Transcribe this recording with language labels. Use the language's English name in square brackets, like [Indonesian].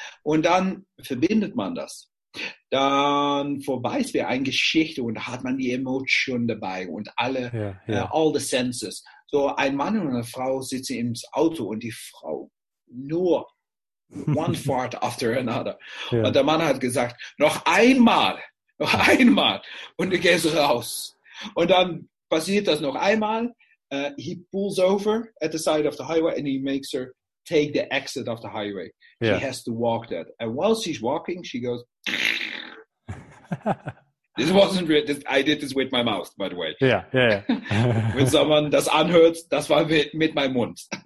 [German] Und dann verbindet man das. Dann vorbei ist eine Geschichte und hat man die Emotion dabei und alle, all the senses. So ein Mann und eine Frau sitzen im Auto und die Frau nur one fart after another. Ja. Und der Mann hat gesagt, noch einmal und du gehst raus. Und dann passiert das noch einmal. [English] He pulls over at the side of the highway and he makes her take the exit of the highway. She has to walk that. And while she's walking, she goes, this wasn't real. I did this with my mouth, by the way. Yeah. [German] Wenn someone das anhört, das war mit meinem Mund.